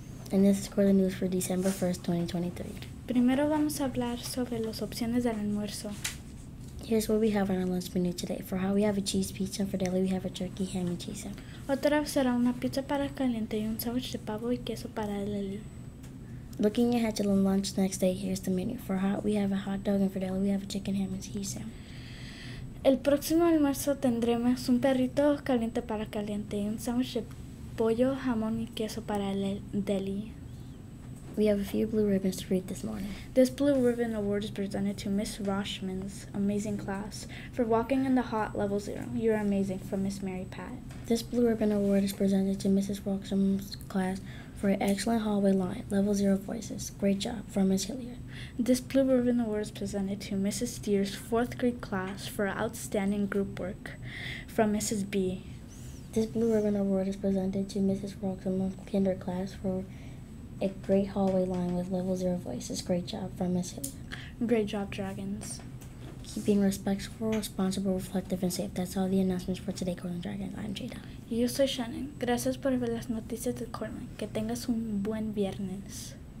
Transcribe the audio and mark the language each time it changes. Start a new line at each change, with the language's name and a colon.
English: And this is Cortland News for December 1st, 2023.
Spanish: Primero vamos a hablar sobre las opciones del almuerzo.
English: Here's what we have on our lunch menu today. For how we have a cheese pizza, and for deli we have a turkey, ham, and cheese sandwich.
Spanish: Otra será una pizza para caliente y un sándwich de pavo y queso para deli.
English: Looking ahead to lunch next day, here's the menu. For hot, we have a hot dog, and for deli we have a chicken, ham, and cheese sandwich.
Spanish: El próximo almuerzo tendremos un perrito caliente para caliente y un sándwich de pollo, jamón y queso para el deli.
English: We have a few blue ribbons to read this morning. This blue ribbon award is presented to Miss Rochman's amazing class for walking in the hot level zero. You're amazing, from Miss Mary Pat. This blue ribbon award is presented to Mrs. Rochman's class for an excellent hallway line, level zero voices. Great job, from Miss Hilliard. This blue ribbon award is presented to Mrs. Steer's fourth grade class for outstanding group work, from Mrs. B. This blue ribbon award is presented to Mrs. Rochman's kinder class for a great hallway line with level zero voices. Great job, from Miss Hill. Great job, Dragons. Keep being respectful, responsible, reflective, and safe. That's all the announcements for today, Cortland Dragons. I'm Jada.
Spanish: Yo soy Shannon. Gracias por ver las noticias de Cortland. Que tengas un buen viernes.